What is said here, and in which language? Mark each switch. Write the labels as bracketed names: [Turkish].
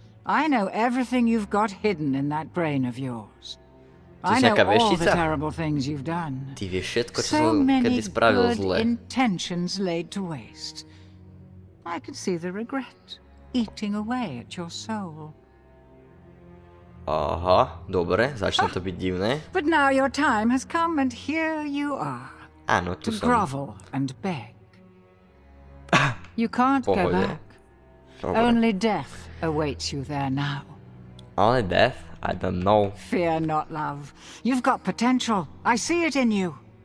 [English] I know everything you've got hidden in that brain of yours. I know all the terrible things you've done. [Slovak] Ty vieš všetko, čo som kedy spravil zle. [English] So many good intentions laid to waste. I can see the regret eating away at your soul. [Slovak] Aha, dobre, začne to byť divné. [English] But now your time has come and here you are. [Slovak] Áno, tu som. [English] To grovel and beg. You can't go back. [Slovak] Dobre. [English] Only death awaits you there now. Only death? I don't know. Fear not, love. You've got potential. I see it in you.